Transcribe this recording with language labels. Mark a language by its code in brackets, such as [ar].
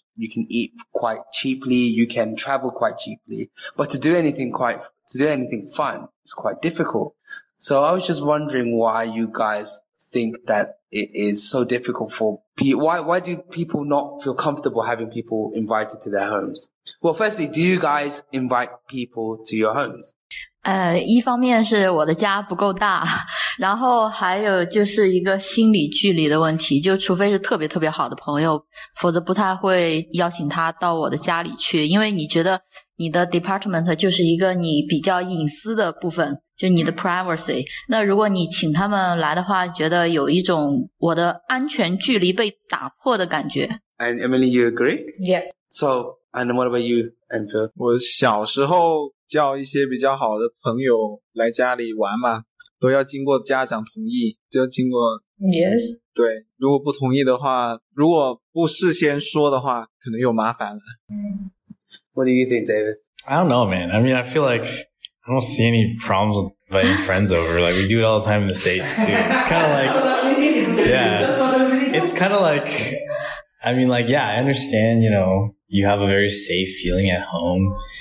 [en] You can eat quite cheaply, you can travel quite cheaply, but to do anything fun is quite difficult. So I was just wondering why you guys think that it is so difficult for people. Why do people not feel comfortable having people invited to their homes? Well, firstly, do you guys invite people to your homes? [zh] 一方面是我的家不够大，然后还有就是一个心理距离的问题，就除非是特别特别好的朋友，否则不太会邀请他到我的家里去，因为你觉得你的 department 就是一个你比较隐私的部分，就你的 privacy。那如果你请他们来的话，觉得有一种我的安全距离被打破的感觉。 [en] And Emily, you agree? Yes. So, and what about you, Andrew? [zh] 我小时候叫一些比较好的朋友来家里玩嘛，都要经过家长同意，就要经过。 [en] Yes. [zh] 对，如果不同意的话，如果不事先说的话，可能又麻烦了。 [en] What do you think, David? I don't know, man. I mean, I feel like I don't see any problems with inviting friends over. Like, we do it all the time in the States, too. It's kind of like, yeah, it's kind of like, I mean, like, yeah, I understand, you know, you have a very safe feeling at home.